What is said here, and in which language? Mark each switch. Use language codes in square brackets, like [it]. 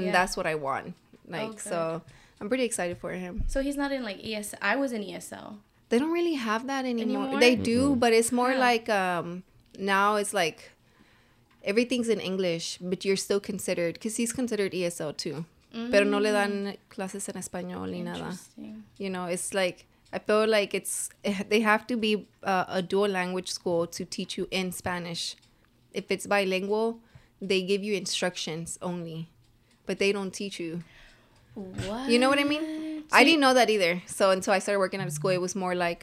[en] And yeah. that's what I want. Like, so... I'm pretty excited for him. So he's not in like ESL. I was in ESL. They don't really have that anymore. They do, mm-hmm. but it's more yeah. like now it's like everything's in English, but you're still considered, because he's considered ESL too. Mm-hmm. [es] Pero no le dan clases en español ni nada. [en] You know, it's like, I feel like it's, they have to be a dual language school to teach you in Spanish. If it's bilingual, they give you instructions only, but they don't teach you. What? You know what I mean? So I didn't know that either. So until I started working at a school, it was more like